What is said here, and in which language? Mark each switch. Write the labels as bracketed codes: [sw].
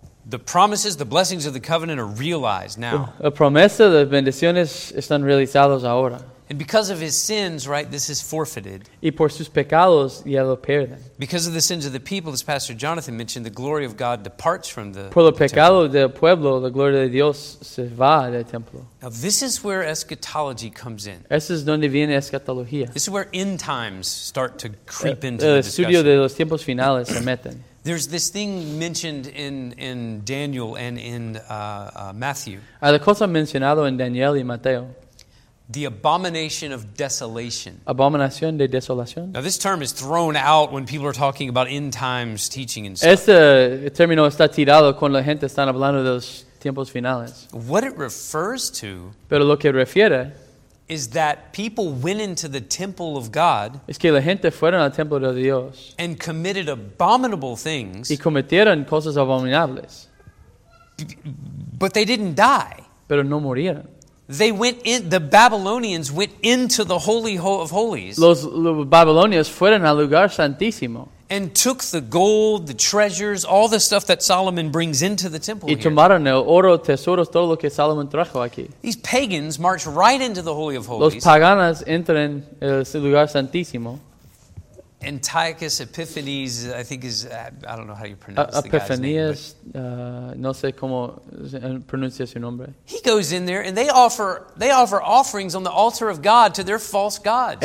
[en] The promises, the blessings of the covenant are realized now. [es] La promesa, las bendiciones están realizadas ahora. [en] And because of his sins, right, this is forfeited. [es] Y por sus pecados ya lo pierden. [en] Because of the sins of the people, as Pastor Jonathan mentioned, the glory of God departs from the [es] por lo pecado del pueblo, la gloria de Dios se va del templo. [en] Now this is where eschatology comes in. [es] Eso es donde viene escatología. [en] This is where end times start to creep into [es] the estudio de los tiempos finales se meten. [en] There's this thing mentioned in Daniel and in Matthew. [es] Hay la cosa mencionado en Daniel y Mateo. [en] The abomination of desolation. [es] Abominación de desolación. [en] Now this term is thrown out when people are talking about end times teaching and stuff. [es] Este término está tirado cuando la gente está hablando de los tiempos finales. [en] What it refers to, [es] pero lo que refiere, [en] is that people went into the temple of God, [es] es que la gente fueron al templo de Dios, [en] and committed abominable things, [es] y cometieron cosas abominables, [en] but they didn't die. [es] Pero no murieron. [en] They went in. The Babylonians went into the holy of holies. [es] Los Babilonios fueron al lugar santísimo. [en] And took the gold, the treasures, all the stuff that Solomon brings into the temple. [es] Y tomaron el oro, tesoros, todo lo que Salomón trajo aquí. [en] These pagans march right into the holy of holies. [es] Los paganos entran en el lugar santísimo. [en] Antiochus Epiphanes, I think is, I don't know how you pronounce Epiphanes, the guy's name. [es] No sé cómo pronuncia su nombre. [en] He goes in there and they offer offerings on the altar of God to their false gods.